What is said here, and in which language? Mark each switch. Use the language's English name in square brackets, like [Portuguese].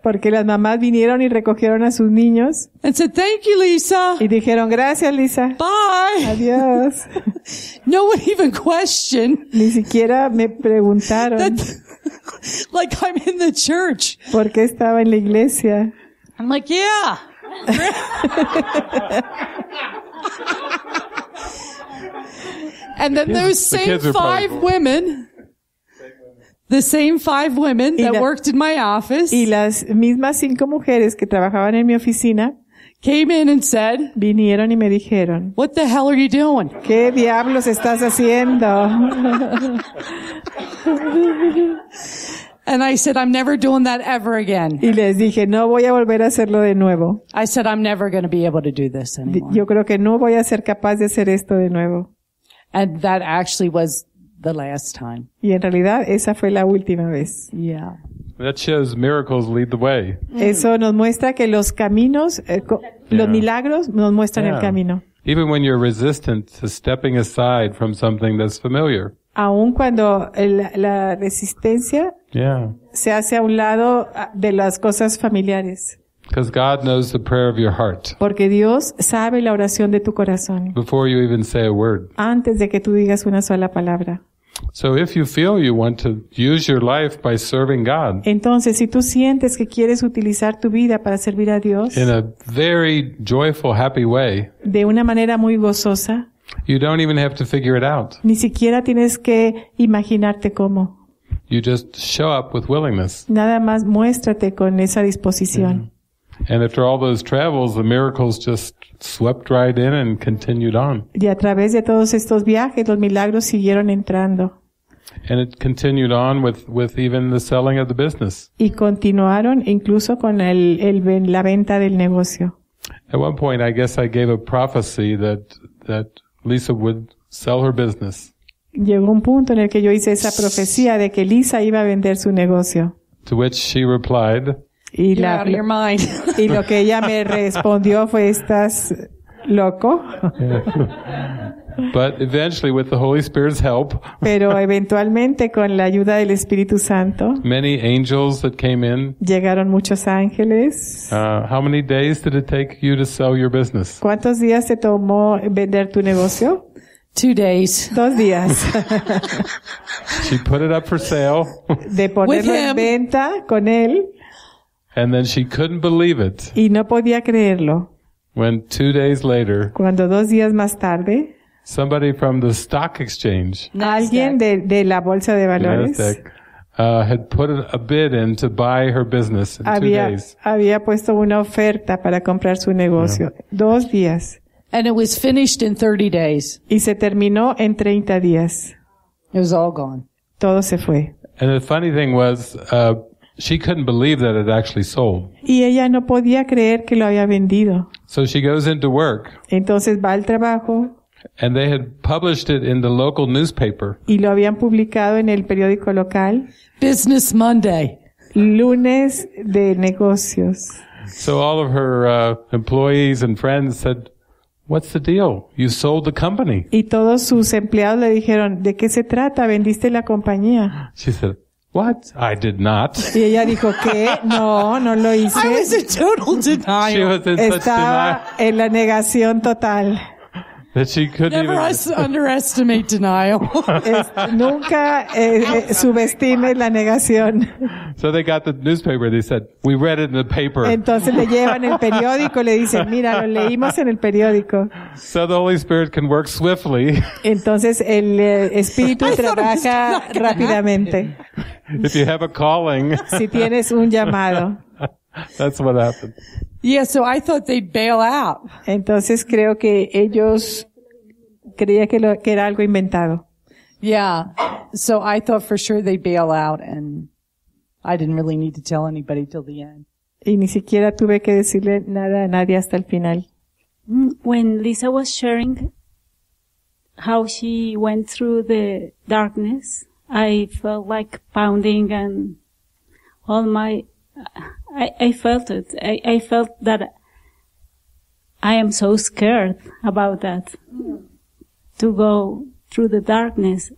[Spanish] Porque las mamás vinieron y recogieron a sus niños. [English] And said, thank you, Lisa. [Spanish] Y dijeron, gracias, Lisa. [English] Bye. [Spanish] Adiós. [English] No one even questioned. [Spanish] Ni siquiera me preguntaron. [English] Like I'm in the church. [Spanish] Porque estaba en la iglesia. [English] I'm like, yeah. And then those same five women. The same five women that worked in my office. [Spanish] Y las mismas cinco mujeres que trabajaban en mi oficina. [English] Came in and said. [Spanish] Vinieron y me dijeron. [English] What the hell are you doing? [Spanish] ¿Qué diablos estás haciendo? [English] And I said, I'm never doing that ever again. [Spanish] Y les dije, no voy a volver a hacerlo de nuevo. [English] I said, I'm never going to be able to do this anymore. [Spanish] Yo creo que no voy a ser capaz de hacer esto de nuevo. [English] And that actually was the last time. [Spanish] Y en realidad, esa fue la última vez. [English] Yeah. That shows miracles lead the way. [Spanish] Eso nos muestra que los caminos, los milagros nos muestran el camino. [English] Even when you're resistant to stepping aside from something that's familiar. [Spanish] Aun cuando la resistencia se hace a un lado de las cosas familiares. [English] Because God knows the prayer of your heart. [Spanish] Porque Dios sabe la oración de tu corazón. [English] Before you even say a word. [Spanish] Antes de que tú digas una sola palabra. [English] So if you feel you want to use your life by serving God. [Spanish] Entonces, si tú sientes que quieres utilizar tu vida para servir a Dios. [English] In a very joyful, happy way. [Spanish] De una manera muy gozosa. [English] You don't even have to figure it out. [Spanish] Ni siquiera tienes que imaginarte cómo. [English] You just show up with willingness. [Spanish] Nada más muéstrate con esa disposición. Mm-hmm. [English] And after all those travels, the miracles just swept right in and continued on. [Spanish] Y a través de todos estos viajes, los milagros siguieron entrando. [English] And it continued on with even the selling of the business. [Spanish] Y continuaron incluso con la venta del negocio. [English] At one point, I guess I gave a prophecy that Lisa would sell her business. [Spanish] Llegó un punto en el que yo hice esa profecía de que Lisa iba a vender su negocio. [English] To which she replied. You're out of your mind. [Spanish] Y lo que ella me respondió fue, ¿estás loco? [English] But eventually, with the Holy Spirit's help. [Spanish] Pero eventualmente, con la ayuda del Espíritu Santo. [English] Many angels that came in. [Spanish] Llegaron muchos ángeles. [English] How many days did it take you to sell your business? [Spanish] ¿Cuántos días te tomó vender tu negocio? [English] 2 days. [Spanish] 2 días. [English] She put it up for sale. [Spanish] De ponerlo en venta con él. [English] And then she couldn't believe it. [Spanish] Y no podía creerlo. [English] When 2 days later. [Spanish] Cuando 2 días más tarde. [English] Somebody from the stock exchange. [Spanish] Nasdaq. Alguien de la bolsa de valores. Nasdaq, [English] had put a bid in to buy her business in 2 days. [Spanish] Había puesto una oferta para comprar su negocio. [English] Yeah. [Spanish] 2 días. [English] And it was finished in 30 days. [Spanish] Y se terminó en 30 días. [English] It was all gone. [Spanish] Todo se fue. [English] And the funny thing was, she couldn't believe that it actually sold. [Spanish] Y ella no podía creer que lo había vendido. [English] So she goes into work. [Spanish] Entonces va al trabajo. [English] And they had published it in the local newspaper. [Spanish] Y lo habían publicado en el periódico local. [English] Business Monday. [Spanish] Lunes de negocios. [English] So all of her employees and friends said, "What's the deal? You sold the company." [Spanish] Y todos sus empleados le dijeron, "¿De qué se trata? ¿Vendiste la compañía?" [English] She said, "What? I did not." [Spanish] Y ella dijo, ¿qué? No lo hice. [English] I was in total denial. She was in [Spanish] Estaba [English] such denial. [Spanish] En la negación total. [English] That she couldn't Never even... underestimate denial. [Spanish] Nunca subestime la negación. [English] So they got the newspaper. They said, "We read it in the paper." [Spanish] Entonces le llevan el periódico. Le dicen, "Mira, lo leímos en el periódico." [English] So the Holy Spirit can work swiftly. [Spanish] Entonces el Espíritu trabaja rápidamente. [English] If you have a calling. [Spanish] Si tienes un llamado. [English] That's what happened. Yeah, so I thought they'd bail out. [Spanish] Entonces creo que ellos creía que era algo inventado. [English] Yeah, so I thought for sure they'd bail out, and I didn't really need to tell anybody till the end. [Spanish] Y ni siquiera tuve que decirle nada a nadie hasta el final. [English] When Lisa was sharing how she went through the darkness, I felt like pounding and all my... I felt it. I felt that I am so scared about that, to go through the darkness.